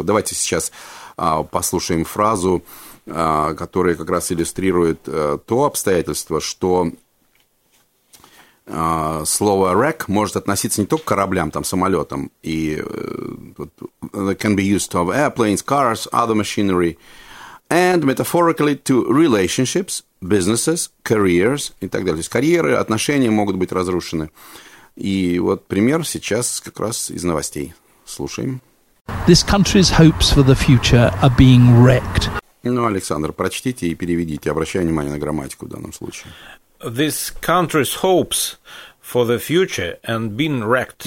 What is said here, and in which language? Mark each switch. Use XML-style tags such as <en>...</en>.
<ru>Вот давайте сейчас послушаем фразу, которая как раз иллюстрирует то обстоятельство, что слово wreck может относиться не только к кораблям, там, самолетам, и</ru> <en>can be used of airplanes, cars, other machinery, and metaphorically to relationships, businesses, careers</en> <ru>и так далее. То есть карьеры, отношения могут быть разрушены. И вот пример сейчас как раз из новостей. Слушаем.</ru> <en>This country's hopes for the future are being wrecked.</en> <ru>Ну, Александр, прочтите и переведите, обращая внимание на грамматику в данном случае.</ru> <en>This country's hopes for the future and being wrecked.</en>